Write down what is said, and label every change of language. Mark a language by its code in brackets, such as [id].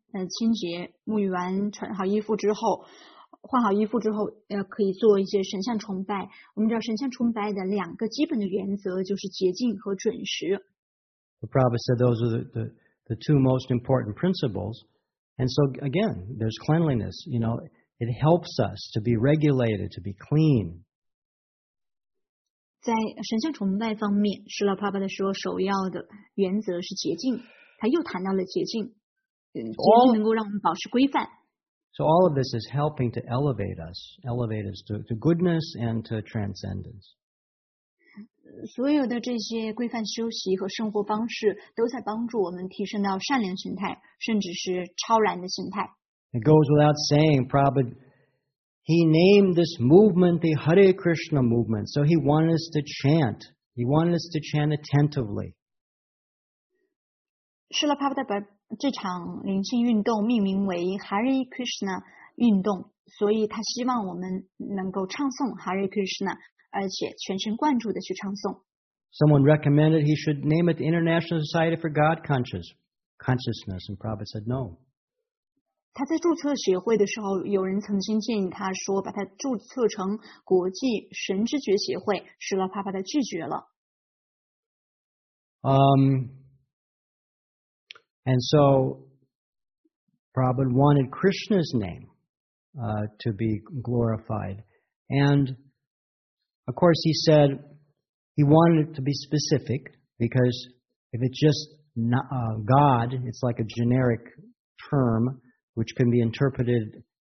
[zh] 清洁沐浴完穿好衣服之后换好衣服之后可以做一些神像崇拜我们知道神像崇拜的两个基本的原则就是洁净和准时 [en] The Prabhupada said those are the two most important principles and so again there's cleanliness you know it helps us to be regulated to be clean [zh] 在神像崇拜方面施拉帕巴的说首要的原则是洁净他又谈到了洁净 [en] So all of this is helping to elevate us to goodness and to transcendence. [zh] 所有的这些规范修习和生活方式都在帮助我们提升到善良心态，甚至是超然的心态。 [en] It goes without saying, Prabhupada, he named this movement the Hare Krishna movement, so he wanted us to chant. He wanted us to chant attentively. [zh] 是了，帕帕的本。这场灵性运动命名为 Hare Krishna 运动，所以他希望我们能够唱诵 Hare Krishna， 而且全神贯注的去唱诵。 [en] Someone recommended he should name it the International Society for God Consciousness, and Prabhupada said no. [zh] 他在注册协会的时候，有人曾经建议他说把他注册成国际神知觉协会，施拉帕帕的拒绝了。 [en] And so, Prabhupada wanted Krishna's name to be glorified. And, of course, he said he wanted it to be specific, because if it's just God, it's like a generic term, which can be interpreted